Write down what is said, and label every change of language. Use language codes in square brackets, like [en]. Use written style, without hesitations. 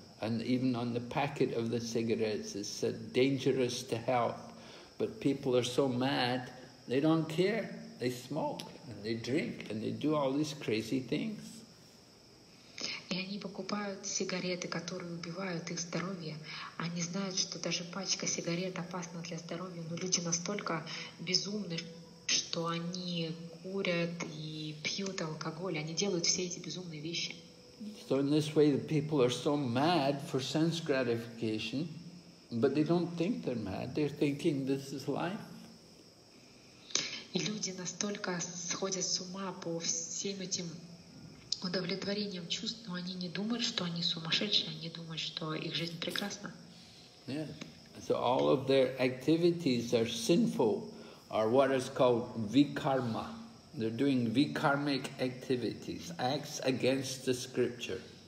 [en] And even on the packet of the cigarettes, it said dangerous to health. But people are so mad, they don't care. They smoke and they drink and they do all these crazy things. [ru] И они покупают сигареты, которые убивают их здоровье. Они знают, что даже пачка сигарет опасна для здоровья, но люди настолько безумны, что они курят и пьют алкоголь. Они делают все эти безумные вещи. [en] So in this way, the people are so mad for sense gratification, but they don't think they're mad. They're thinking this is life. [ru] И люди настолько сходят с ума по всем этим удовлетворением чувств, но они не думают, что они сумасшедшие, они думают, что их жизнь прекрасна. [en] Yeah. So all of their activities are sinful, or what is called vikarma. They're doing vikarmic activities, acts against the scripture.